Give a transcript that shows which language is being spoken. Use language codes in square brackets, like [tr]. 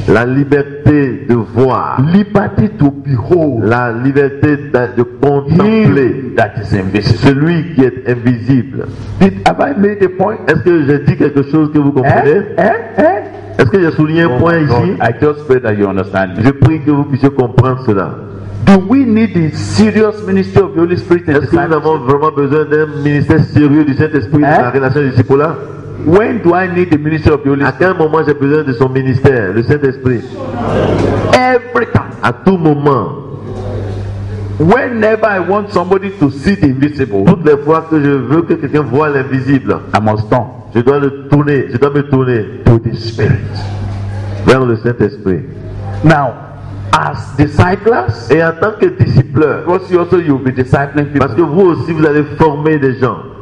[fr] La liberté de voir. [en] Liberty to behold. [fr] La liberté de contempler. [en] That is invisible. [fr] Celui qui est invisible. [en] Did, have I made a point? [fr] Est-ce que j'ai dit quelque chose que vous comprenez? Est-ce que j'ai souligné un point ici? [en] I just pray that you understand. [fr] Je prie que vous puissiez comprendre cela. [en] Do we need a serious ministry of the Holy Spirit? [fr] Est-ce que nous avons vraiment besoin d'un ministère sérieux du Saint-Esprit dans la relation du discipulat? [en] When do I need the ministry of the Holy Spirit? [fr] À quel moment j'ai besoin de son ministère, le Saint-Esprit? [en] Every time. [fr] À tout moment. [en] Whenever I want somebody to see the invisible. [fr] Toutes les fois que je veux que quelqu'un voit l'invisible. [en] I must turn. [fr] Je dois le tourner. Je dois me tourner. [en] To the Spirit. [fr] Vers le Saint-Esprit. [en] Now. As disciples, [fr] et en tant que disciples, [en] because you also you'll be discipling people, [fr] parce que vous aussi vous allez former des gens.